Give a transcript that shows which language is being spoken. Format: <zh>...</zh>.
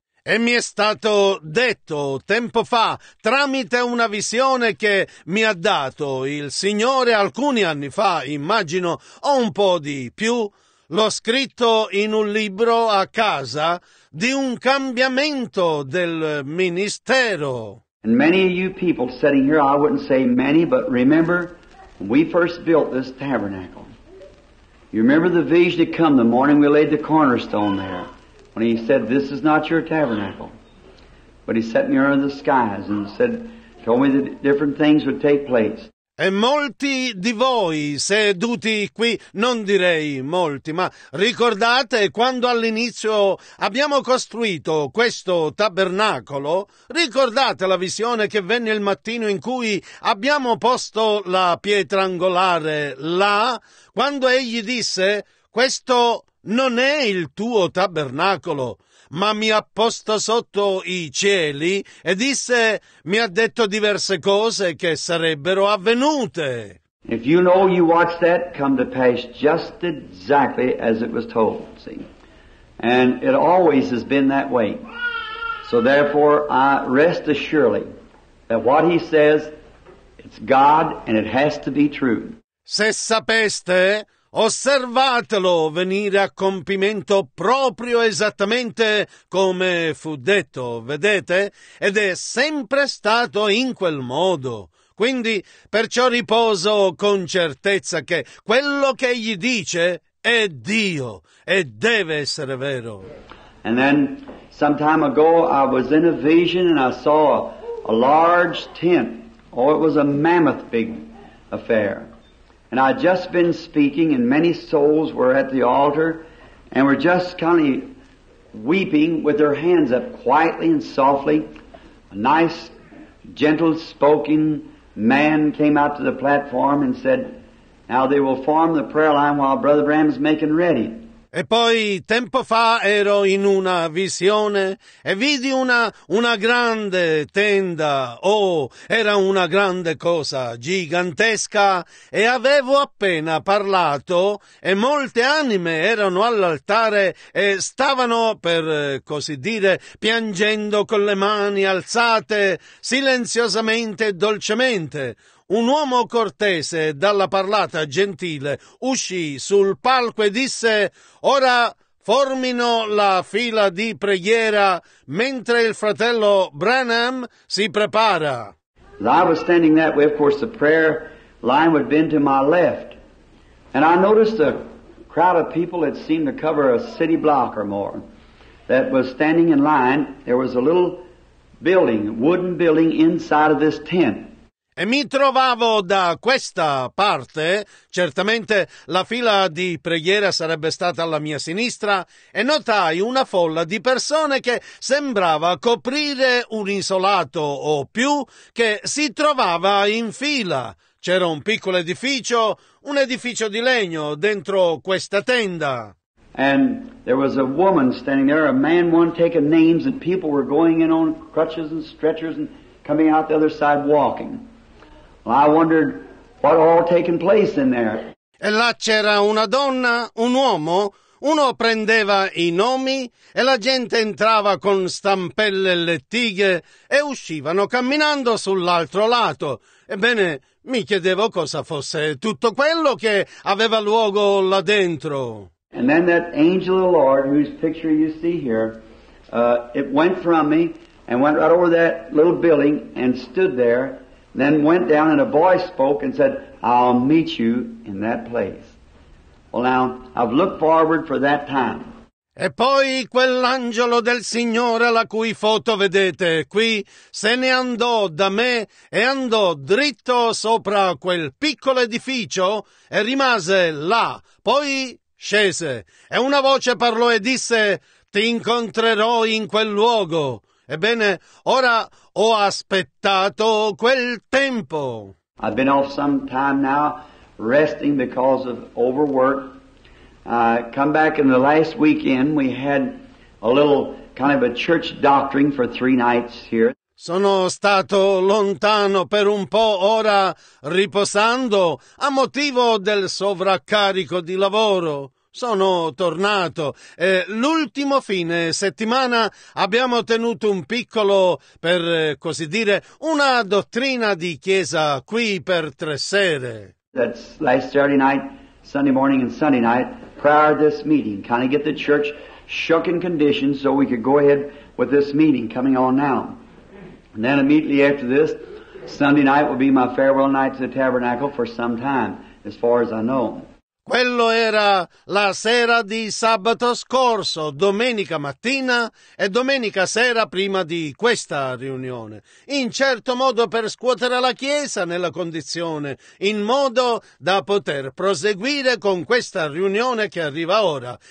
<it>E mi è stato detto tempo fa, tramite una visione che mi ha dato il Signore alcuni anni fa, immagino, o un po' di più, l'ho scritto in un libro a casa di un cambiamento del ministero.</it> <en>And many of you people sitting here, I wouldn't say many, but remember when we first built this tabernacle. You remember the vision that come the morning we laid the cornerstone there, when He said, "This is not your tabernacle." But He set me under the skies and said, told me that different things would take place.</en> <it>E molti di voi seduti qui, non direi molti, ma ricordate quando all'inizio abbiamo costruito questo tabernacolo? Ricordate la visione che venne il mattino in cui abbiamo posto la pietra angolare là, quando egli disse: questo non è il tuo tabernacolo, ma mi ha posto sotto i cieli e disse, mi ha detto diverse cose che sarebbero avvenute.</it> <en>If you know you watched that come to pass just exactly as it was told, see. And it always has been that way. So therefore I rest assuredly that what he says, it's God and it has to be true.</en> <it>Se sapeste, osservatelo venire a compimento proprio esattamente come fu detto, vedete? Ed è sempre stato in quel modo. Quindi, perciò riposo con certezza che quello che egli dice è Dio e deve essere vero.</it> <en>And then, some time ago, I was in a vision and I saw a large tent. Oh, it was a mammoth big affair. And I'd just been speaking, and many souls were at the altar and were just kind of weeping with their hands up quietly and softly. A nice, gentle-spoken man came out to the platform and said, now they will form the prayer line while Brother Branham's making ready.</en> <it>E poi, tempo fa, ero in una visione e vidi una grande tenda. Oh, era una grande cosa, gigantesca. E avevo appena parlato e molte anime erano all'altare e stavano, per così dire, piangendo con le mani alzate, silenziosamente e dolcemente. Un uomo cortese, dalla parlata gentile, uscì sul palco e disse: ora formino la fila di preghiera mentre il fratello Branham si prepara.</it> <en>I was standing that way, of course the prayer line would bend to my left. And I noticed a crowd of people that seemed to cover a city block or more that was standing in line. There was a little building, wooden building inside of this tent.</en> <it>E mi trovavo da questa parte, certamente la fila di preghiera sarebbe stata alla mia sinistra, e notai una folla di persone che sembrava coprire un isolato o più che si trovava in fila. C'era un piccolo edificio, un edificio di legno dentro questa tenda.</it> <en>And there was a woman standing there, a man one taking names, and people were going in on crutches and stretchers and coming out the other side walking. Well, I wondered what all taken place in there.</en> <it>E là c'era una donna, un uomo, uno prendeva i nomi e la gente entrava con stampelle e lettighe e uscivano camminando sull'altro lato. Ebbene, mi chiedevo cosa fosse tutto quello che aveva luogo là dentro.</it> <en>And then that angel of the Lord, whose picture you see here, it went from me and went right over that little building and stood there. Then went down and a voice spoke and said, I'll meet you in that place. Well now, I've looked forward for that time.</en> <it>E poi quell'angelo del Signore, la cui foto vedete qui, se ne andò da me e andò dritto sopra quel piccolo edificio e rimase là. Poi scese e una voce parlò e disse, ti incontrerò in quel luogo. Ebbene, ora ho aspettato quel tempo.</it> <en>I've been off some time now, resting because of overwork. Come back in the last weekend, we had a little kind of a church doctrine for three nights here.</en> <it>Sono stato lontano per un po' ora, riposando, a motivo del sovraccarico di lavoro. Sono tornato e l'ultimo fine settimana abbiamo tenuto un piccolo, per così dire, una dottrina di chiesa qui per tre sere.</it> <en>That's last Saturday night, Sunday morning and Sunday night, prior to this meeting, kind of get the church shook in condition so we could go ahead with this meeting coming on now. And then immediately after this, Sunday night will be my farewell night to the tabernacle for some time, as far as I know.</en> <it>Quello era la sera di sabato scorso, domenica mattina e domenica sera prima di questa riunione. In certo modo per scuotere la Chiesa nella condizione, in modo da poter proseguire con questa riunione che arriva ora.</it>